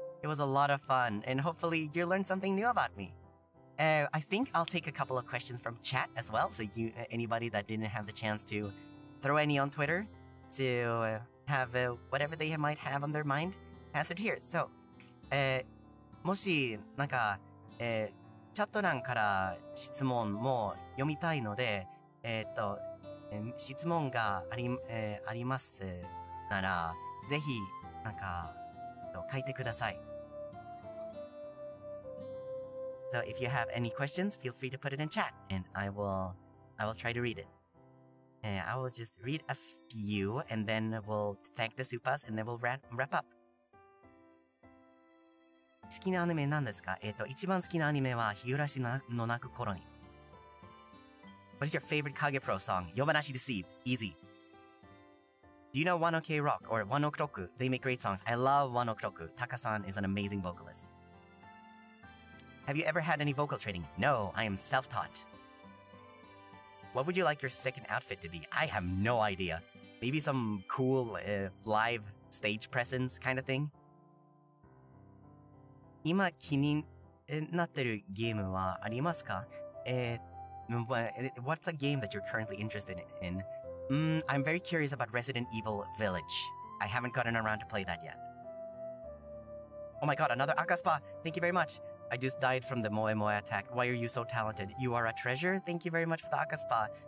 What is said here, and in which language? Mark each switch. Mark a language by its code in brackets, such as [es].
[en] It was a lot of fun, and hopefully you learned something new about me. I think I'll take a couple of questions from chat as well, so you anybody that didn't have the chance to throw any on Twitter to have whatever they might have on their mind answered here. So, [ja] もしなんか、チャット欄から質問も読みたいので、質問がありますなら、ぜひなんか書いてください。 [en] So if you have any questions, feel free to put it in chat, and I will try to read it. And I will just read a few, and then we'll thank the supas, and then we'll wrap up. [ja] 好きなアニメなんですか？一番好きなアニメは日暮らしの泣く頃に。 [en] What is your favorite Kage Pro song? Yomanashi Deceive. Easy. Do you know One Ok Rock or One Ok Roku? They make great songs. I love One Ok Roku. Taka-san is an amazing vocalist. Have you ever had any vocal training? No, I am self-taught. What would you like your second outfit to be? I have no idea. Maybe some cool live stage presence kind of thing? [ja] 今気になってるゲームはありますか？ [en] What's a game that you're currently interested in? I'm very curious about Resident Evil Village. I haven't gotten around to play that yet. Oh my god, another Akaspa! Thank you very much! I just died from the Moe Moe attack. Why are you so talented? You are a treasure? Thank you very much for the Akaspa.